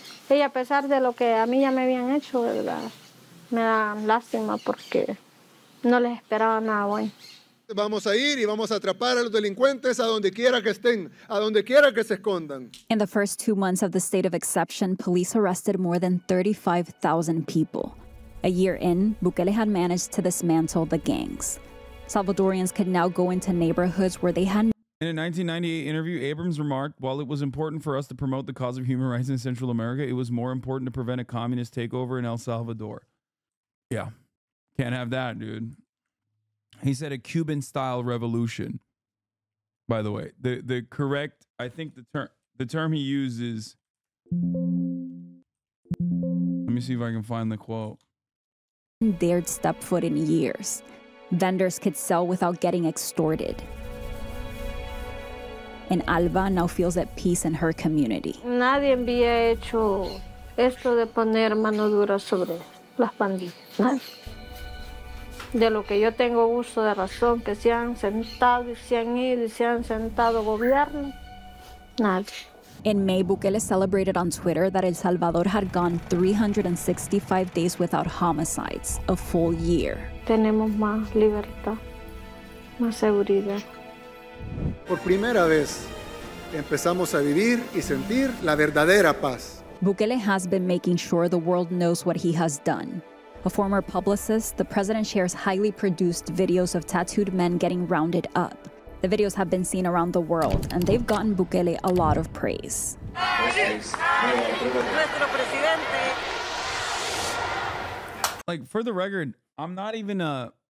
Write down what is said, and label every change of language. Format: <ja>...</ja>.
<es>Y a pesar de lo que a mí ya me habían hecho, me dan lástima porque no les esperaba nada bueno. Vamos a ir y vamos a atrapar a los delincuentes a donde quiera que estén, a donde quiera que se escondan.</es> <en>In the first 2 months of the state of exception, police arrested more than 35,000 people. A year in, Bukele had managed to dismantle the gangs. Salvadorians could now go into neighborhoods where they had... In a 1998 interview, Abrams remarked, "While it was important for us to promote the cause of human rights in Central America, it was more important to prevent a communist takeover in El Salvador." Yeah. Can't have that, dude. He said a Cuban-style revolution. By the way, the correct, I think the term he uses... Let me see if I can find the quote. ...dared step foot in years. Vendors could sell without getting extorted. And Alba now feels at peace in her community.</en> <es>Nadie había hecho esto de poner mano dura sobre las pandillas. De lo que yo tengo uso de razón, que se han sentado y se han ido y se han sentado gobierno. Nadie.</es> <en>In May, Bukele celebrated on Twitter that El Salvador had gone 365 days without homicides, a full year.</en> <es>Tenemos más libertad, más seguridad. Por primera vez, empezamos a vivir y sentir la verdadera paz.</es> <en>Bukele has been making sure the world knows what he has done. A former publicist, the president shares highly produced videos of tattooed men getting rounded up. The videos have been seen around the world, and they've gotten Bukele a lot of praise. Like, for the record, I'm not even a...</en>